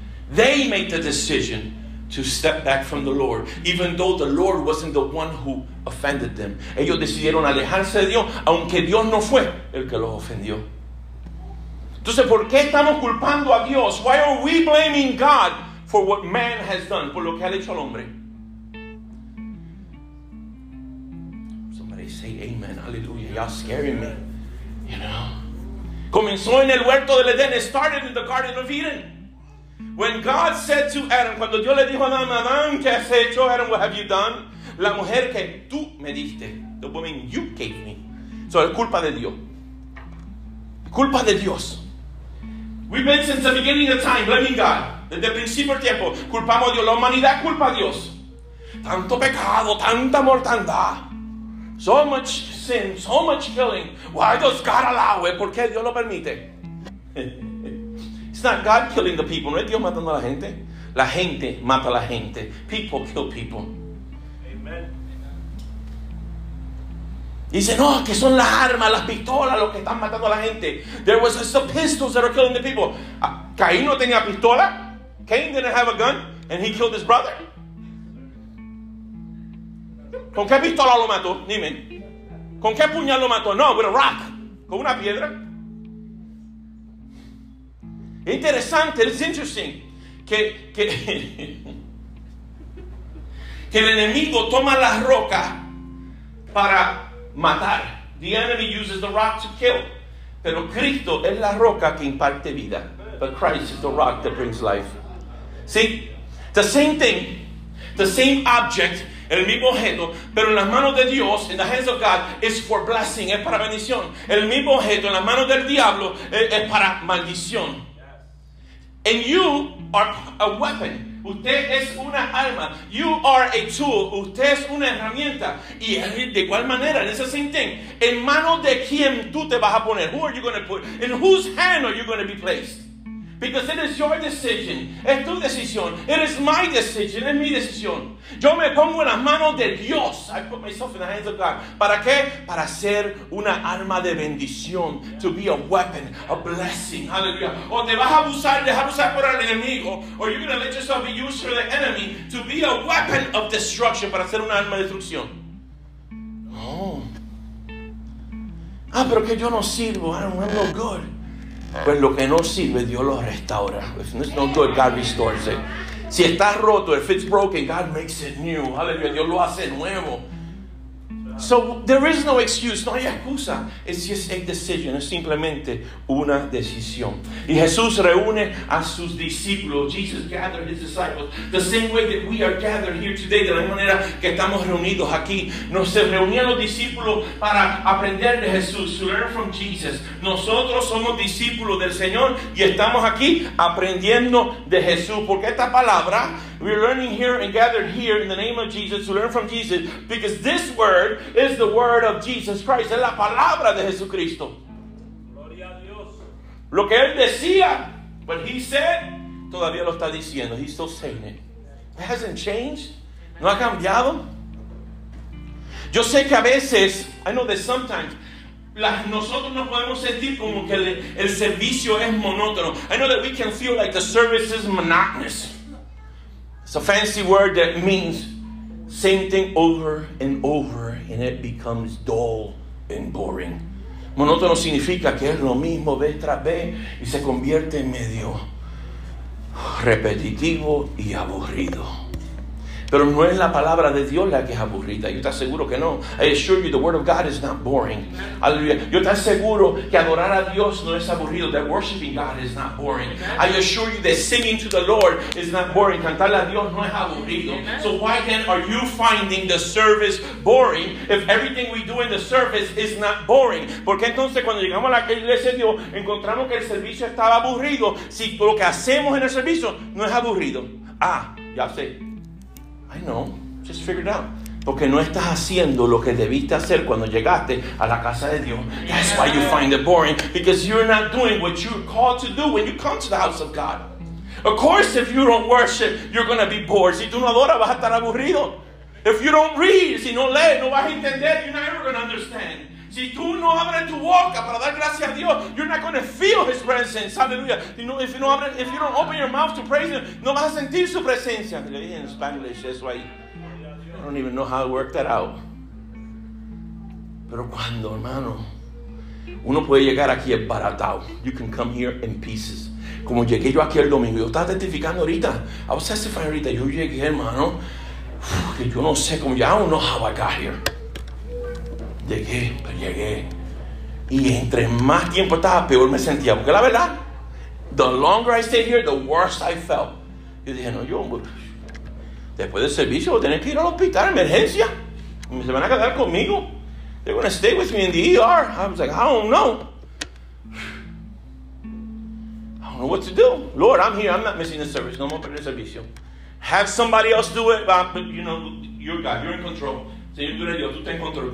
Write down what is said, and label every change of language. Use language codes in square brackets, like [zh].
[en] They made the decision to step back from the Lord, even though the Lord wasn't the one who offended them. [es] Ellos decidieron alejarse de Dios, aunque Dios no fue el que los ofendió. Entonces, ¿por qué estamos culpando a Dios? [en] Why are we blaming God for what man has done? [es] Por lo que ha hecho al hombre. [en] Somebody say amen, hallelujah. Y'all scaring me, you know. [es] Comenzó en el huerto del Edén. [en] It started in the Garden of Eden. When God said to Adam, [es] cuando Dios le dijo a Adam, Adam, ¿qué has hecho? [en] Adam, what have you done? [es] La mujer que tú me diste. [en] The woman you gave me. So, [es] es culpa de Dios. Culpa de Dios. [en] We've been since the beginning of time blaming God. [es] Desde el principio del tiempo, culpamos a Dios. La humanidad culpa a Dios. Tanto pecado, tanta mortandad. [en] So much sin, so much killing. Why does God allow it? [es] ¿Por qué Dios lo permite? [en] It's not God killing the people. [es] ¿No es Dios matando a la gente? La gente mata a la gente. [en] People kill people. [es] Dice, no, que son las armas, las pistolas, los que están matando a la gente. [en] There was the pistols that are killing the people. [es] Caín no tenía pistola. [en] Cain didn't have a gun, and he killed his brother. [es] ¿Con qué pistola lo mató? Dime. ¿Con qué puñal lo mató? [en] No, with a rock. [es] Con una piedra. Interesante, [en] it's interesting. [es] Que el enemigo toma la roca para matar. [en] The enemy uses the rock to kill. [es] Pero Cristo es la roca que imparte vida. [en] But Christ is the rock that brings life. See? The same thing. The same object. [es] El mismo objeto. Pero en las manos de Dios, [en] in the hands of God, is for blessing. [es] Es para bendición. El mismo objeto en las manos del diablo es para maldición. [en] And you are a weapon. [es] Usted es una arma. [en] You are a tool. [es] Usted es una herramienta. Y de igual manera, [en] it's the same thing. [es] En mano de quién tú te vas a poner. [en] Who are you going to put? In whose hand are you going to be placed? Because it is your decision. [es] Es tu decisión. [en] It is my decision. [es] Es mi decisión. Yo me pongo en las manos de Dios. [en] I put myself in the hands of God. [es] ¿Para qué? Para ser una arma de bendición. [en] To be a weapon, a blessing. [es] Hallelujah. O te vas a abusar, dejar usar por el enemigo. [en] Or you're going to let yourself be used for the enemy to be a weapon of destruction. [es] Para ser una arma de destrucción. Oh. Ah, pero que yo no sirvo. [en] I'm no good. [es] Pues lo que no sirve, Dios lo restaura. [en] If it's not good, God restores it. [es] Si está roto, [en] if it's broken, God makes it new. Hallelujah. [es] Dios lo hace nuevo. [en] So there is no excuse. [es] No hay excusa. [en] It's just a decision. [es] Es simplemente una decisión. Y Jesús reúne a sus discípulos. [en] Jesus gathered his disciples. The same way that we are gathered here today. [es] De la manera que estamos reunidos aquí. Nos se reunían los discípulos para aprender de Jesús. [en] To learn from Jesus. [es] Nosotros somos discípulos del Señor. Y estamos aquí aprendiendo de Jesús. Porque esta palabra... [en] We're learning here and gathered here in the name of Jesus to learn from Jesus because this word is the word of Jesus Christ. [es] Es la palabra de Jesucristo. Gloria a Dios. Lo que él decía, [en] what he said, [es] todavía lo está diciendo. [en] He's still saying it. It hasn't changed. [es] No ha cambiado. Yo sé que a veces, [en] I know that sometimes, [es] nosotros no podemos sentir como que el servicio es monótono. [en] I know that we can feel like the service is monotonous. It's a fancy word that means same thing over and over and it becomes dull and boring. [es] Monótono significa que es lo mismo vez tras vez y se convierte en medio repetitivo y aburrido. Pero no es la palabra de Dios la que es aburrida. Yo te aseguro que no. [en] I assure you the word of God is not boring. [es] Aleluya. Yo te aseguro que adorar a Dios no es aburrido. [en] That worshiping God is not boring. I assure you that singing to the Lord is not boring. [es] Cantarle a Dios no es aburrido. [en] So why then are you finding the service boring if everything we do in the service is not boring? [es] Porque entonces cuando llegamos a la iglesia de Dios encontramos que el servicio estaba aburrido si lo que hacemos en el servicio no es aburrido. Ah, ya sé. [en] I know, just figure it out. [es] Porque no estás haciendo lo que debiste hacer cuando llegaste a la casa de Dios. [en] That's why you find it boring. Because you're not doing what you're called to do when you come to the house of God. Of course, if you don't worship, you're going to be bored. [es] Si tú no adoras, vas a estar aburrido. [en] If you don't read, [es] si no lees, no vas a entender. [en] You're never going to understand. [es] Si tú no abres tu boca para dar gracias. gracias a Dios, [en] you're not going to feel His presence. Hallelujah. You know, if you don't open your mouth to praise Him, [es] no vas a sentir su presencia. Le dije en [en] Spanish, that's why I don't even know how to work that out. [es] Pero cuando, hermano, uno puede llegar aquí embaratado. [en] You can come here in pieces. [es] Como llegué yo aquí el domingo, yo estaba testificando ahorita. [en] I was testifying [es] ahorita. Yo llegué, hermano, que yo no sé cómo. [en] I don't know how I got here. [es] Llegué, pero llegué. Y entre más tiempo estaba, peor me sentía. Porque la verdad, [en] the longer I stayed here, the worse I felt. [es] Yo dije, no, yo, después del servicio, voy a tener que ir al hospital, emergencia. Se van a quedar conmigo. [en] They're going to stay with me in the ER. I was like, I don't know. I don't know what to do. Lord, I'm here. I'm not missing the service. [es] No more perder el servicio. [en] Have somebody else do it. But you know, you're God. You're in control. [es] Señor, tú eres Dios. Tú estás en control.